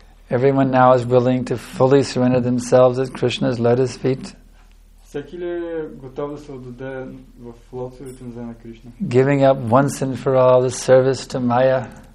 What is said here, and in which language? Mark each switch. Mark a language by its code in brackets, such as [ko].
[en] Everyone now is willing to fully surrender themselves at Krishna's lotus feet. [bg] Всеки ли е готов да се отдаде в лотосовите нозе на Кришна? [en] Giving up once and for all the service to Maya.